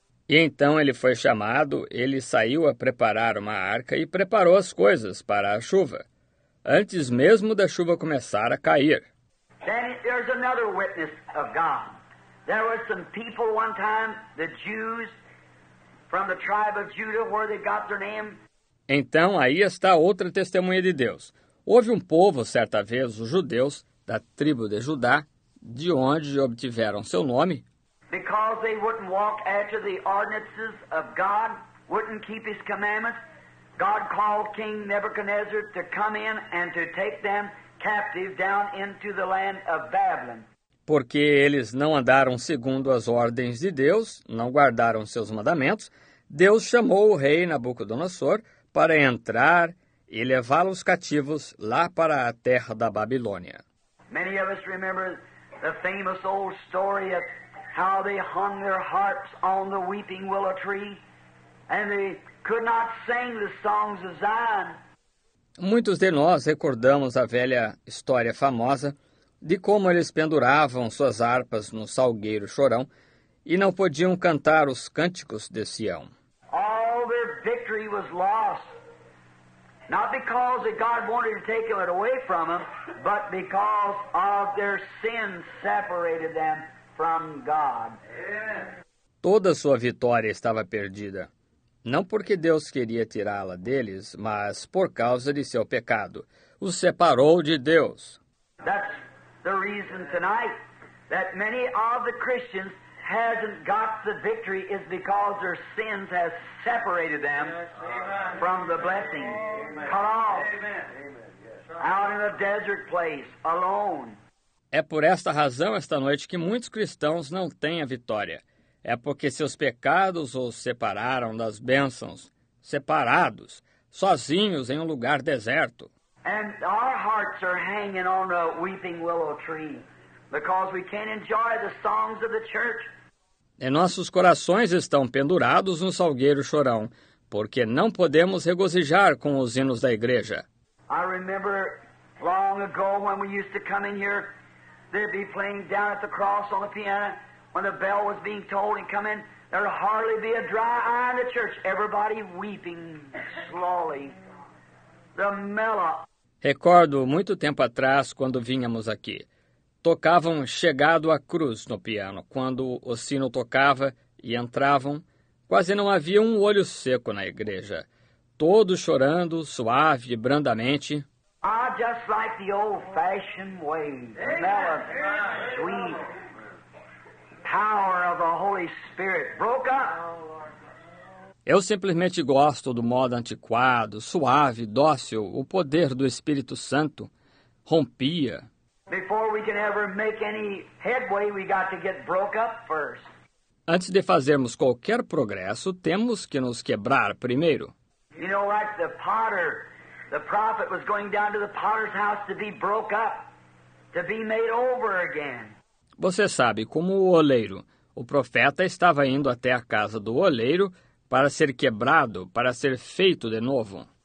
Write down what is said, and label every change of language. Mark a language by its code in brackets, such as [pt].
[pt] E então ele foi chamado, ele saiu a preparar uma arca e preparou as coisas para a chuva, antes mesmo da chuva começar a cair. [en] Then there's another witness of God. There were some people one time, the Jews from the tribe of Judah, where they got their name. [pt] Então aí está outra testemunha de Deus. Houve um povo certa vez, os judeus da tribo de Judá, de onde obtiveram seu nome. [en] Because they wouldn't walk after the ordinances of God, wouldn't keep his commandments, God called King Nebuchadnezzar to come in and to take them captive down into the land of Babylon. [pt] Porque eles não andaram segundo as ordens de Deus, não guardaram seus mandamentos, Deus chamou o rei Nabucodonosor para entrar e levá-los cativos lá para a terra da Babilônia. [en] Many of us remember the famous old story of how they hung their harps on the weeping willow tree and they could not sing the songs of Zion. [pt] Muitos de nós recordamos a velha história famosa de como eles penduravam suas harpas no salgueiro Chorão e não podiam cantar os cânticos de Sião. [en] All their victory was lost. Not because God wanted to take it away from them, but because of their sin separated them from God. [pt] Toda sua vitória estava perdida, não porque Deus queria tirá-la deles, mas por causa de seu pecado. Os separou de Deus. [en] That's the reason tonight that many of the Christians hasn't got the victory is because their sins has separated them from the blessing. Cut off. Out in a desert place, alone. [pt] É por esta razão esta noite que muitos cristãos não têm a vitória. É porque seus pecados os separaram das bênçãos, separados, sozinhos em um lugar deserto. [en] And our hearts are hanging on a weeping willow tree because we can't enjoy the songs of the church. [pt] E nossos corações estão pendurados no salgueiro Chorão, porque não podemos regozijar com os hinos da igreja. [en] I remember long ago when we used to come in here, they'd be playing down at the cross on the piano when the bell was being tolled and come in, there'd hardly be a dry eye in the church, everybody weeping slowly. The mellow. [pt] Recordo muito tempo atrás quando vínhamos aqui. Tocavam Chegado à Cruz no piano. Quando o sino tocava e entravam, quase não havia um olho seco na igreja. Todos chorando, suave, brandamente. [en] I just like the old-fashioned way, the mellow, sweet power of the Holy Spirit broke up. [pt] Eu simplesmente gosto do modo antiquado, suave, dócil, o poder do Espírito Santo rompia. [en] Before we can ever make any headway, we got to get broke up first. [pt] Antes de fazermos qualquer progresso, temos que nos quebrar primeiro. [en] You know, like the potter, the prophet was going down to the potter's house to be broke up, to be made over again. [pt] Você sabe, como o oleiro, o profeta estava indo até a casa do oleiro para ser quebrado, para ser feito de novo.